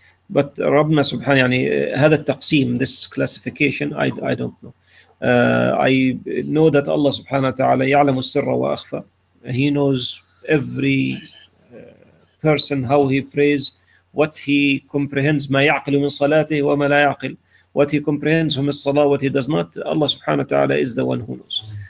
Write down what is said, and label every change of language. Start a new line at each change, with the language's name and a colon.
English: But
Arabic: ربنا سبحانه يعني هذا التقسيم,
English: this classification, I don't know. I know that
Arabic: Allah سبحانه وتعالى يعلم السر واخفى.
English: He knows every person how he prays, what he comprehends,
Arabic: ما يعقل من صلاته وما لا يعقل,
English: what he comprehends from الصلاة, what he does not. Allah
Arabic: سبحانه وتعالى
English: is the one who knows.